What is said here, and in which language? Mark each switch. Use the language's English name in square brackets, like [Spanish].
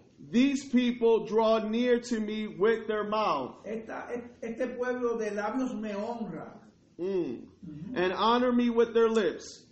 [English] These people draw near to me with their mouth. [Spanish] Este pueblo de labios me honra. [English] And honor me with their lips.